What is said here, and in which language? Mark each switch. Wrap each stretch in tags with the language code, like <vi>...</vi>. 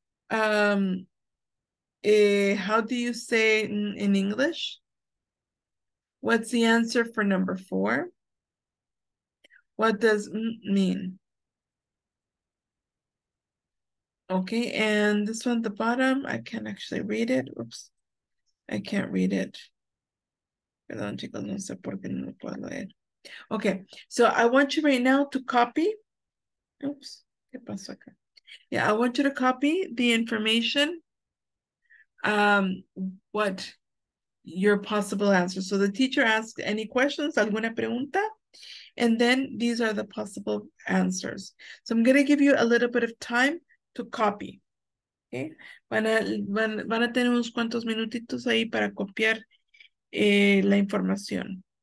<en>Um, How do you say in English? What's the answer for number four? What does mean? Okay, and this one at the bottom, I can't actually read it. Oops, I can't read it.</en> <es>Perdón, chicos, no sé por qué no puedo leer.</es> <en>Okay, so I want you right now to copy. Oops,</en> <es>¿qué pasó acá?</es> <en>Yeah, I want you to copy the information, what your possible answers. So the teacher asks any questions,</en> <es>alguna pregunta,</es> <en>and then these are the possible answers. So I'm going to give you a little bit of time to copy.</en> <es>Okay, van a tener unos cuantos minutitos ahí para copiar la información.</es>